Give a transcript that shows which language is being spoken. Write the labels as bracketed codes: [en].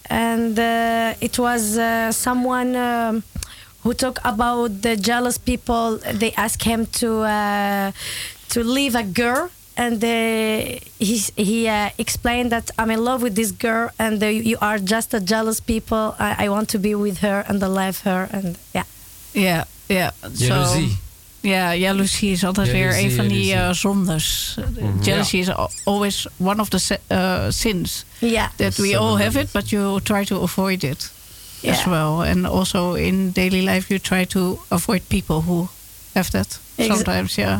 [en] And it was someone who talk about the jealous people. They ask him to leave a girl, and he explained that I'm in love with this girl, and you are just a jealous people. I want to be with her and I love her, and yeah. So, jealousy is always [nl] een van die zondes. [en] Jealousy is always one of the sins. Yeah, that we all have it, but you try to avoid it. Yeah. As well, and also in daily life you try to avoid people who have that sometimes.